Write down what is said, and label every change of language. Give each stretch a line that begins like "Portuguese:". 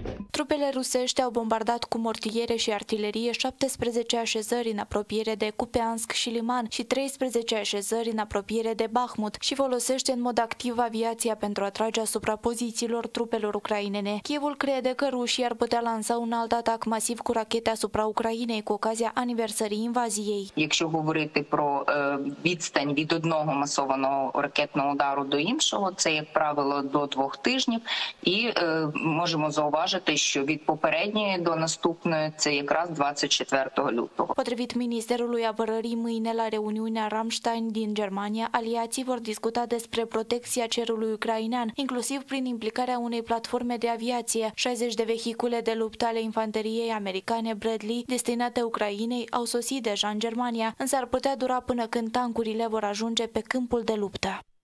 Romanian: Trupele rusești au bombardat cu mortiere și artilerie 17 așezări în apropiere de Kupiansk și Liman și 13 așezări în apropiere de Bahmut și folosește în mod activ aviația pentru a trage asupra pozițiilor trupelor ucrainene. Kievul crede că rușii ar putea lansa un alt atac masiv cu rachete asupra Ucrainei cu ocazia aniversării invaziei.
Ukrainian: Якщо говорити про відстань від одного масованого ракетного удару до іншого, це, як правило, до 2 тижнів і можемо зауважити, що від попередньої до наступної це якраз 24 лютого.
Romanian: Потребіт міністерului apărării mâine la reuniunea Rammstein din Germania, aliații vor discuta despre protecția cerului ucrainean, inclusiv prin implicarea unei platforme de aviație. 60 de vehicule de luptă ale infanteriei americane Bradley, destinate Ucrainei, au sosit deja în Germania, însă ar putea dura până când tancurile vor ajunge pe câmpul de luptă.